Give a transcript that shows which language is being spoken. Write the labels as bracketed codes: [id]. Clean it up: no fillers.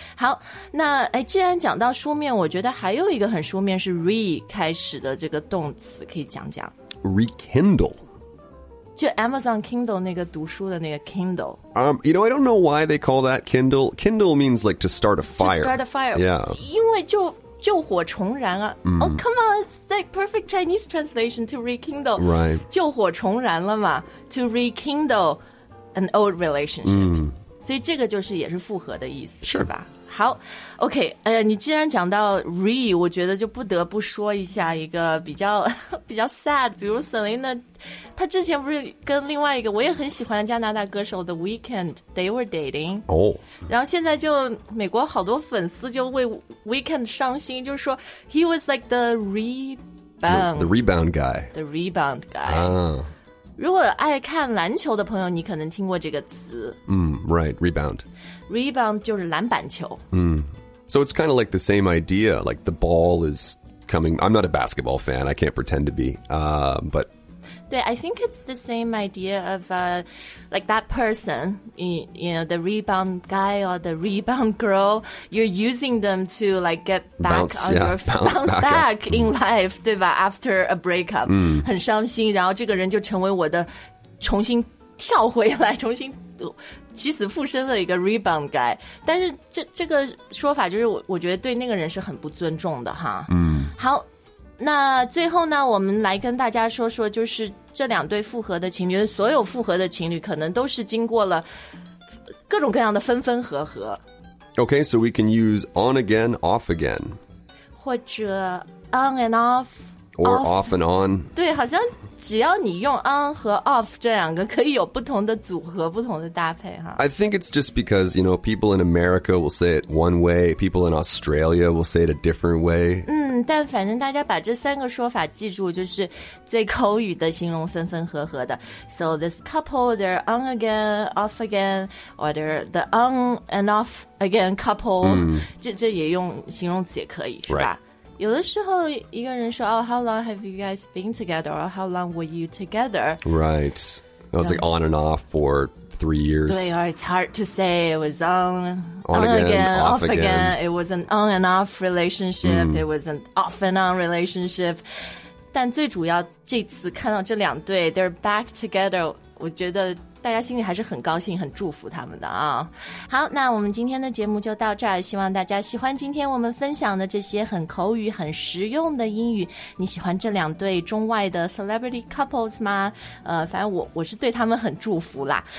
[zh] 好那既然讲到书面我觉得还有一个很书面是 re 开始的这个动词可以讲讲 [en] Rekindle [zh] 就 Amazon Kindle 那个读书的那个 Kindle. [en] You know, I don't know why they call that Kindle. Kindle means like to start a fire. To start a fire. Yeah. [zh] 因为救火重燃啊。Mm. [en] Oh, come on. It's like perfect Chinese translation to rekindle. Right. [zh] 救火重燃了嘛。 [en] To rekindle an old relationship.、 Mm. [zh] 所以这个就是也是复合的意思。 [en] Sure. [zh] 是吧好 ,OK, 你既然讲到 re, 我觉得就不得不说一下一个比较 sad, 比如 Selena, 她之前不是跟另外一个我也很喜欢加拿大歌手 The Weeknd, [en] they were dating. 哦、oh.。 [zh] 然后现在就美国好多粉丝就为 Weeknd 伤心就是说 , [en] he was like the rebound. The rebound guy. The rebound guy. 啊、ah.。 [zh] 如果爱看篮球的朋友你可能听过这个词。 [en] 嗯、mm, ,right, rebound. [zh] Rebound 就是篮板球。 Mm. [en] So it's kind of like the same idea, like the ball is coming. I'm not a basketball fan, I can't pretend to be, but... 对, I think it's the same idea of like that person, you know, the rebound guy or the rebound girl, you're using them to like get back bounce, on yeah, your bounce back in life, 对吧?After a breakup,、 mm. [zh] 很伤心,然后这个人就成为我的重新跳回来,重新起死复生的一个 rebound guy 但是 这个说法就是 我觉得对那个人是很不尊重的哈、嗯、好那最后呢我们来跟大家说说就是这两对复合的情侣所有复合的情侣可能都是经过了各种各样的分分合合 [en] OK so we can use on again off again [zh] 或者 on and off [en] or off and on [zh] 对好像只要你用 on 和 off 这两个可以有不同的组合不同的搭配哈 [en] I think it's just because you know people in America will say it one way people in Australia will say it a different way [zh] 嗯但反正大家把这三个说法记住就是最口语的形容分分合合的 [en] So this couple they're on again off again or they're the on and off again couple、嗯、 [zh] 这也用形容词也可以、 [en] right. [zh] 是吧有的时候一个人说、 [en] oh, How long have you guys been together? Or how long were you together? Right. That was like on and off for 3 years. 对 or it's hard to say. It was on again, off again. It was an on and off relationship.、Mm. It was an off and on relationship. [zh] 但最主要这次看到这两对 [en] they're back together. [zh] 我觉得大家心里还是很高兴很祝福他们的啊好那我们今天的节目就到这儿希望大家喜欢今天我们分享的这些很口语很实用的英语你喜欢这两对中外的 celebrity couples 吗反正我是对他们很祝福啦